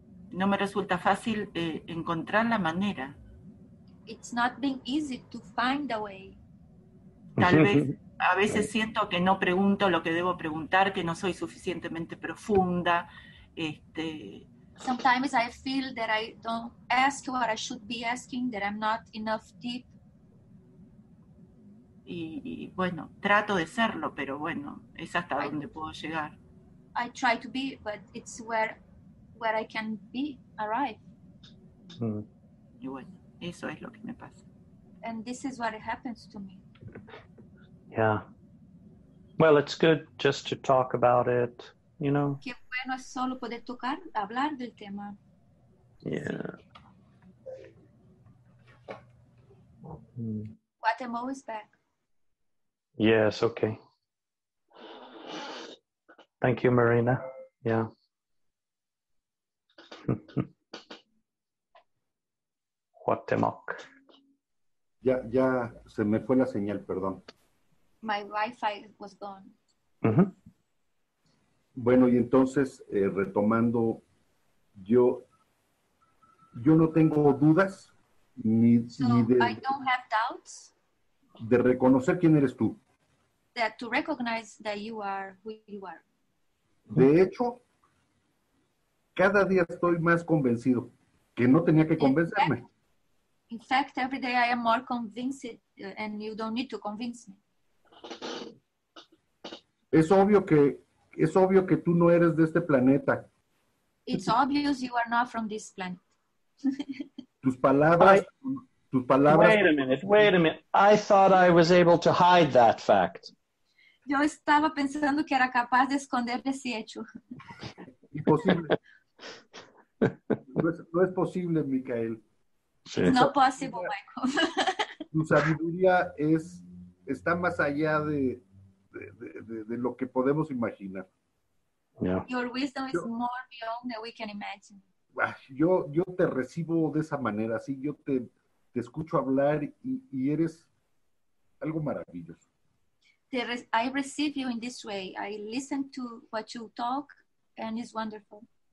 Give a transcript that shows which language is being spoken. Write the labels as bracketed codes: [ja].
[es] No me resulta fácil encontrar la manera. [en] It's not been easy to find a way. [es] Tal vez. A veces siento que no pregunto lo que debo preguntar, que no soy suficientemente profunda. [en] Sometimes I feel that I don't ask what I should be asking, that I'm not enough deep. [es] Y bueno, trato de serlo, pero bueno, es hasta donde puedo llegar. [en] I try to be, but it's where I can be, arrive. [es] Y bueno, eso es lo que me pasa. [en] And this is what happens to me. Yeah. Well, it's good just to talk about it, you know. [es] Qué bueno es solo poder tocar, hablar del tema. [en] Yeah. Guatemala is back. Yes, okay. Thank you, Marina. Yeah. Guatemoc. [es] Ya se me fue la señal, perdón. [en] My Wi-Fi was gone. Uh-huh. [es] Bueno, y entonces, retomando, yo no tengo dudas. [en] I don't have doubts. [es] de reconocer quién eres tú. [en] That to recognize that you are who you are. [es] De hecho, cada día estoy más convencido que no tenía que convencerme. [en] In fact, every day I am more convinced and you don't need to convince me. [es] Es obvio que tú no eres de este planeta. [en] It's obvious you are not from this planet. [es] Tus palabras. [en] Wait a minute. I thought I was able to hide that fact. [es] Yo estaba pensando que era capaz de esconder ese hecho. Imposible. No es posible, Micael. Sí. No es posible, Michael. Tu sabiduría está más allá de lo que podemos imaginar. [en] Yeah. Your wisdom is more beyond than we can imagine. [es] Yo te recibo de esa manera, sí, yo te escucho hablar y eres algo maravilloso. [en] I receive you in this way. I listen to what you talk and it's wonderful.